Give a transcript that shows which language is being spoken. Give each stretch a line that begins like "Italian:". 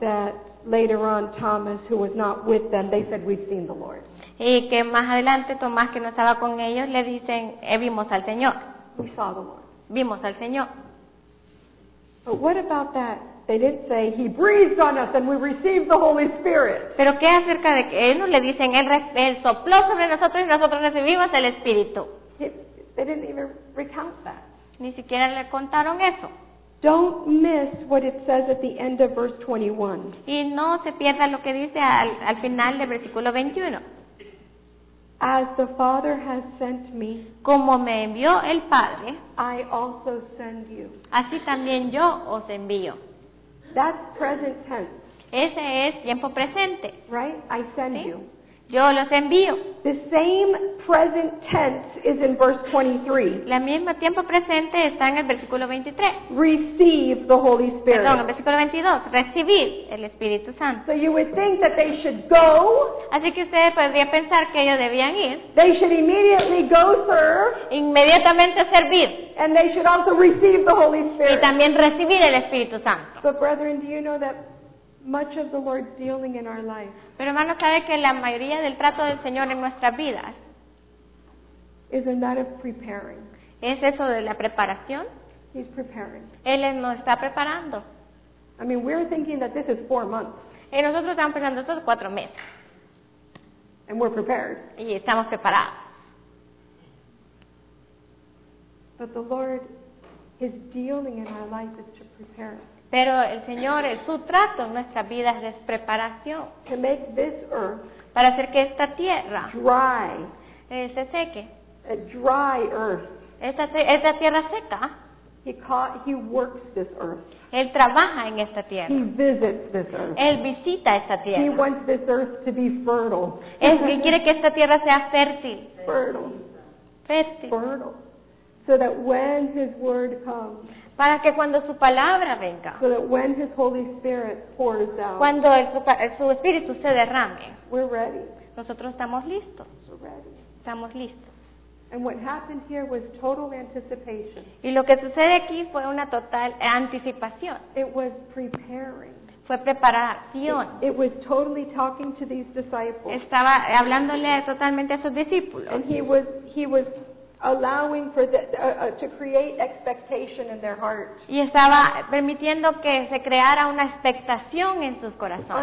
English: that later on Thomas, who was not with them, they said, "We've seen the Lord."
Spanish: Y que más adelante Tomás, que no estaba con ellos, le dicen, vimos al Señor.
English: We saw the Lord.
Spanish: Vimos al Señor.
English: But what about that? They did say, "He breathed on us and we received the Holy Spirit."
Spanish: Pero qué acerca de que ellos le dicen, él sopló sobre nosotros y nosotros recibimos el Espíritu.
English: They didn't even recount that.
Spanish: Ni siquiera le contaron eso.
English: Don't miss what it says at the end of verse 21.
Spanish: Y no se pierda lo que dice al final del versículo 21.
English: As the Father has sent me,
Spanish: como me envió el Padre,
English: I also send you.
Spanish: Así también yo os envío.
English: That's present tense.
Spanish: Ese es tiempo presente.
English: Right? I send you.
Spanish: Yo los envío.
English: The same present tense is in verse 23.
Spanish: La misma tiempo presente está en el versículo 23.
English: Receive the Holy Spirit.
Spanish: Perdón, el versículo 22. Recibir el Espíritu Santo.
English: So you would think that they should go.
Spanish: Así que ustedes podrían pensar que ellos debían ir.
English: They should immediately go serve.
Spanish: Inmediatamente servir.
English: And they should also receive the Holy Spirit.
Spanish: Y también recibir el Espíritu Santo.
English: But brethren, do you know that much of the Lord's dealing in our life.
Spanish: Pero hermano, sabe que la mayoría del trato del Señor en nuestras vidas.
English: Is in that of preparing.
Spanish: ¿Es eso de la preparación?
English: He's preparing.
Spanish: Él nos está preparando.
English: I mean, we're thinking that this is 4 months.
Spanish: Y nosotros estamos pensando esto es 4 meses.
English: And we're prepared.
Spanish: Y estamos preparados.
English: But the Lord His dealing in our life is to prepare us.
Spanish: Pero el Señor, su trato en nuestra vida es preparación.
English: To make this earth
Spanish: para hacer que esta tierra
English: dry,
Spanish: se seque.
English: A dry earth.
Spanish: Esta tierra seca.
English: He works this earth.
Spanish: Él trabaja en esta tierra.
English: He visits this earth.
Spanish: Él visita esta tierra.
English: He wants this earth to be fertile.
Spanish: Es que quiere que esta tierra sea fértil.
English: Fertile. So that when his word comes,
Spanish: para que cuando su palabra venga,
English: so that when his Holy Spirit pours out,
Spanish: cuando su espíritu se derrame,
English: we're ready.
Spanish: Nosotros estamos listos.
English: We're ready.
Spanish: Estamos listos.
English: And what happened here was total anticipation.
Spanish: Y lo que sucede aquí fue una total anticipación.
English: It was preparing.
Spanish: Fue preparación.
English: It was totally talking to these disciples.
Spanish: Estaba hablándole totalmente a sus discípulos.
English: And he was allowing for to create expectation in their heart.
Spanish: Y estaba permitiendo que se creara una expectación en sus corazones.